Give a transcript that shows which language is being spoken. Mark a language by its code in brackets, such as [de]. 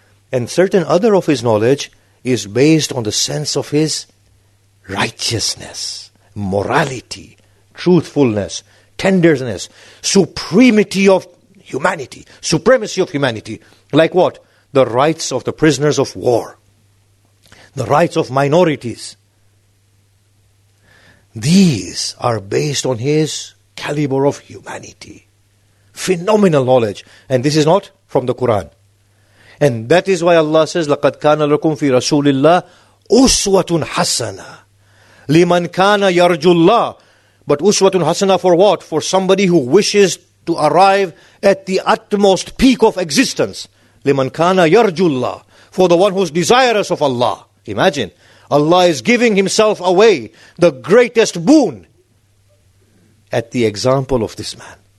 [en] And certain other of his knowledge is based on the sense of his righteousness, morality, truthfulness, tenderness, supremacy of humanity, supremacy of humanity. Like what? The rights of the prisoners of war, the rights of minorities. These are based on his caliber of humanity. Phenomenal knowledge. And this is not from the Quran. And that is why Allah says, [ar] لَقَدْ كَانَ لَكُمْ فِي رَسُولِ اللَّهِ أُسْوَةٌ حَسَنَةٌ لِمَنْ كَانَ يَرْجُ اللَّهِ. [en] But [ar] أُسْوَةٌ حَسَنَةٌ [en] for what? For somebody who wishes to arrive at the utmost peak of existence. [ar] لِمَنْ كَانَ يَرْجُ اللَّهِ. [en] For the one who is desirous of Allah. Imagine, Allah is giving himself away, the greatest boon, at the example of this man.